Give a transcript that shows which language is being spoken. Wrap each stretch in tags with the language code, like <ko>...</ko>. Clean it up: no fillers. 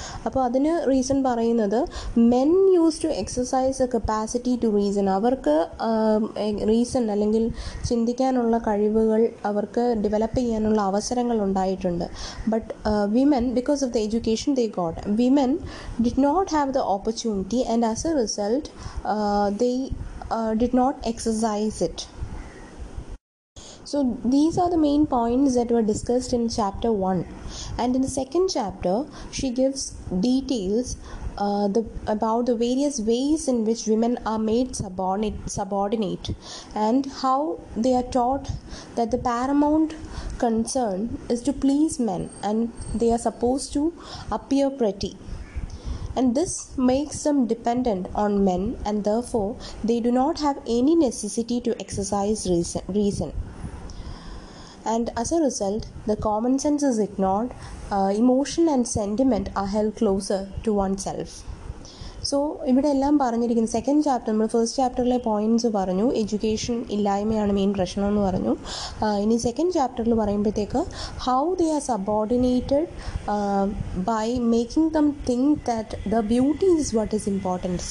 <ml>അപ്പോൾ അതിന് റീസൺ പറയുന്നത്</ml> <en>men use to exercise a capacity to reason,</en> <ml>അവർക്ക് റീസൺ അല്ലെങ്കിൽ ചിന്തിക്കാനുള്ള കഴിവുകൾ അവർക്ക് ഡെവലപ്പ് ചെയ്യാനുള്ള അവസരങ്ങൾ ഉണ്ടായിട്ടുണ്ട്.</ml> <en>But women, because of the education they got, women did not have the opportunity, and as a result they did not exercise it. So these are the main points that were discussed in chapter 1, and in the second chapter she gives details about the various ways in which women are made subordinate and how they are taught that the paramount concern is to please men and they are supposed to appear pretty. and this makes them dependent on men, and therefore they do not have any necessity to exercise reason. And as a result, the common sense is ignored, emotion and sentiment are held closer to oneself.</en> <ml>So ഇവിടെ എല്ലാം പറഞ്ഞിരിക്കുന്നു. Second chapter, നമ്മൾ first ചാപ്റ്ററിലെ points പറഞ്ഞു, education ഇല്ലായ്മയാണ് main പ്രശ്നം എന്ന് പറഞ്ഞു. ഇനി second ചാപ്റ്ററിൽ പറയുമ്പോഴത്തേക്ക്</ml> <en>How they are subordinated by making them think that the beauty is what is important.</en>